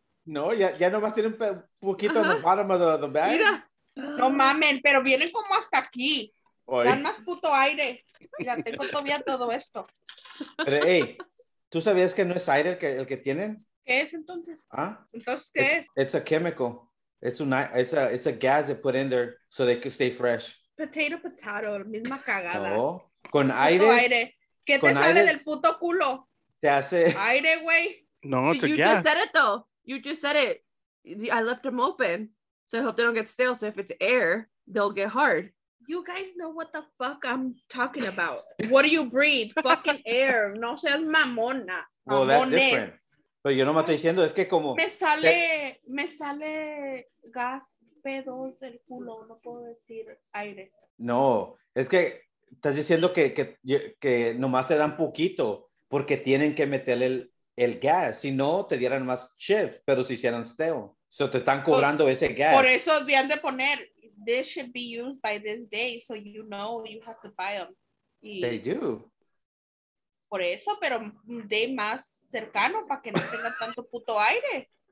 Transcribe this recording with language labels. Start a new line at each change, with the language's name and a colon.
Spanish: No, ya nomás tiene un poquito en el
English: bottom of the bag.
Spanish: Mira. No mamen, pero vienen como hasta aquí. Oy. Dan más puto aire. Mira, tengo todavía todo esto. Pero, hey, ¿tú sabías que no es aire el que tienen? ¿Qué es entonces? ¿Ah? ¿Entonces qué es?
English: It's a chemical. It's a gas they put in there so they can stay fresh. Potato, potato,
Spanish: misma cagada. No. Con aire. Puto aire. ¿Qué te sale aire del puto culo? Se hace. Aire, güey.
English: No, it's a gas. You just said it, though. You just said it. I left them open. So I hope they don't get stale. So if it's air, they'll get hard. You guys know what the fuck I'm talking about. What do you breathe? Fucking air.
Spanish: No seas mamona.
English: Well, that's different.
Spanish: Pero yo no me estoy diciendo, es que como... Me sale gas pedos del culo. No puedo decir aire. No, es que estás diciendo que nomás te dan poquito porque tienen que meterle el gas, si no te dieran más chips, pero si hicieran stale. So te están cobrando pues, ese gas. Por eso habían de poner,
English: this should be used by this day, so you know you have to buy them. Y they do.
Spanish: Por eso, pero de más cercano para que no tenga tanto puto aire.